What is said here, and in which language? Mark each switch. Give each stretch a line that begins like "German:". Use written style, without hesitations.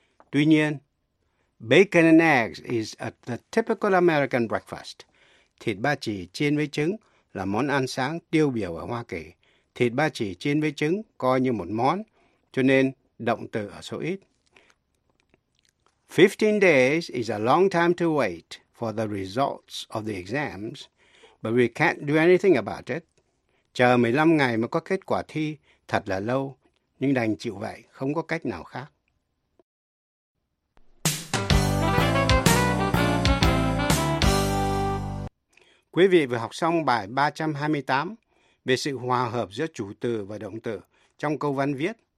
Vietnamese: Tuy nhiên,
English: bacon and eggs is the typical American breakfast.
Vietnamese: Thịt ba chỉ chiên với trứng là món ăn sáng tiêu biểu ở Hoa Kỳ. Thịt ba chỉ chiên với trứng coi như một món, cho nên động từ ở số ít.
English: 15 days is a long time to wait for the results of the exams, but we can't do anything about it.
Vietnamese: Chờ 15 ngày mới có kết quả thi thật là lâu, nhưng đành chịu vậy, không có cách nào khác. Quý vị vừa học xong bài 328 về sự hòa hợp giữa chủ từ và động từ trong câu văn viết.